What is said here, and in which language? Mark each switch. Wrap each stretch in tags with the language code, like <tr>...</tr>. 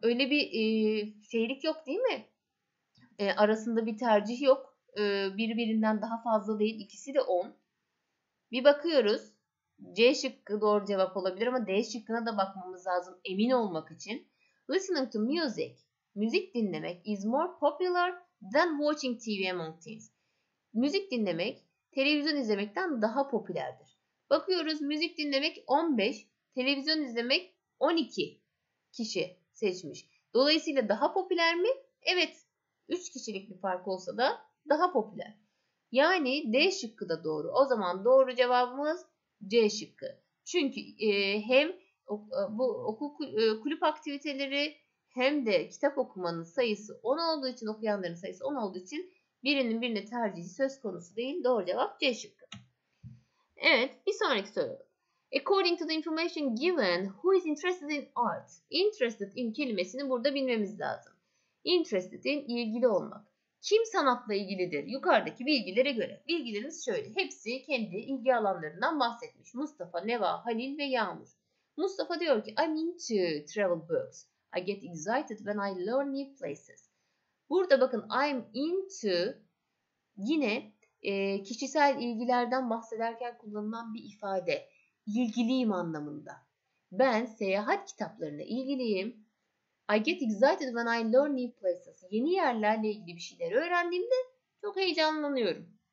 <tr>Öyle bir şeylik yok değil mi? Arasında bir tercih yok. Birbirinden daha fazla değil. İkisi de 10. Bir bakıyoruz. C şıkkı doğru cevap olabilir ama D şıkkına da bakmamız lazım emin olmak için.</tr> <en>Listening to music.</en> <tr>Müzik dinlemek</tr> <en>is more popular than watching TV among teens.</en> <tr>Müzik dinlemek televizyon izlemekten daha popülerdir. Bakıyoruz müzik dinlemek 15, televizyon izlemek 12 kişi seçmiş. Dolayısıyla daha popüler mi? Evet. 3 kişilik bir fark olsa da daha popüler. Yani D şıkkı da doğru. O zaman doğru cevabımız C şıkkı. Çünkü hem bu okul kulüp aktiviteleri hem de kitap okumanın sayısı 10 olduğu için, okuyanların sayısı 10 olduğu için birinin birine tercihi söz konusu değil. Doğru cevap C şıkkı. Evet, bir sonraki soru.</tr> <en>According to the information given, who is interested in art?</en> <tr>Interested in kelimesini burada bilmemiz lazım. Interested in, ilgili olmak. Kim sanatla ilgilidir? Yukarıdaki bilgilere göre. Bilgilerimiz şöyle. Hepsi kendi ilgi alanlarından bahsetmiş. Mustafa, Neva, Halil ve Yağmur.</tr> <en>Mustafa</en> <tr>diyor ki,</tr> <en>I'm into travel books. I get excited when I learn new places.</en> <tr>Burada bakın, I'm into yine kişisel ilgilerden bahsederken kullanılan bir ifade. İlgiliyim anlamında. Ben seyahat kitaplarına ilgiliyim.</tr> <en>I get excited when I learn new places.</en> <tr>Yeni yerlerle ilgili bir şeyler öğrendiğimde çok heyecanlanıyorum.</tr>